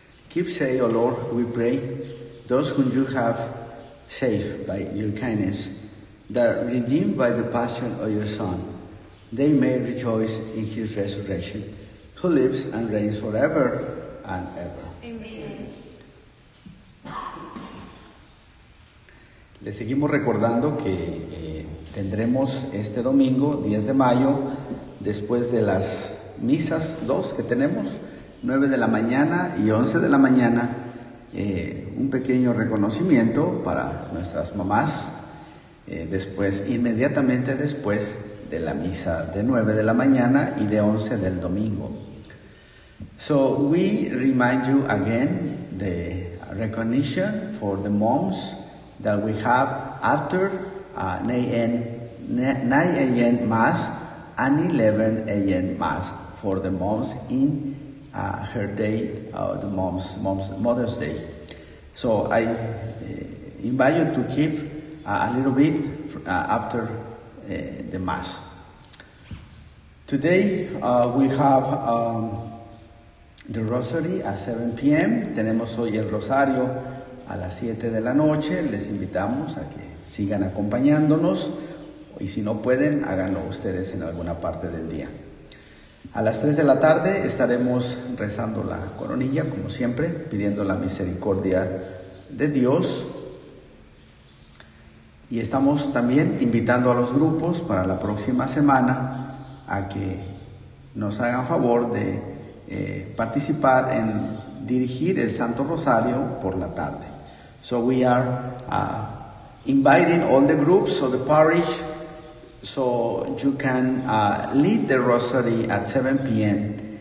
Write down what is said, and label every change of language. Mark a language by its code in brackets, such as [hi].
[en] Keep safe, O Lord, we pray, those whom you have saved by your kindness, that redeemed by the passion of your Son, they may rejoice in his resurrection, who lives and reigns forever and ever. Amen. [es] Le seguimos recordando que tendremos este domingo, 10 de mayo, después de las misas, dos que tenemos, 9 de la mañana y 11 de la mañana, un pequeño reconocimiento para nuestras mamás, después, inmediatamente después de la misa de 9 de la mañana y de 11 del domingo. [en] So we remind you again the recognition for the moms that we have after 9 9 a.m. Mass and 11 a.m. Mass for the moms in her day, the moms Mother's Day. So I invite you to keep a little bit after the Mass. Today we have the Rosary at 7 p.m. [es] Tenemos hoy el Rosario a las 7 de la noche. Les invitamos a que sigan acompañándonos. Y si no pueden, háganlo ustedes en alguna parte del día. A las 3 de la tarde estaremos rezando la coronilla, como siempre, pidiendo la misericordia de Dios. Y estamos también invitando a los grupos para la próxima semana a que nos hagan favor de participar en dirigir el Santo Rosario por la tarde. [en] So we are inviting all the groups of the parish so you can lead the Rosary at 7 p.m.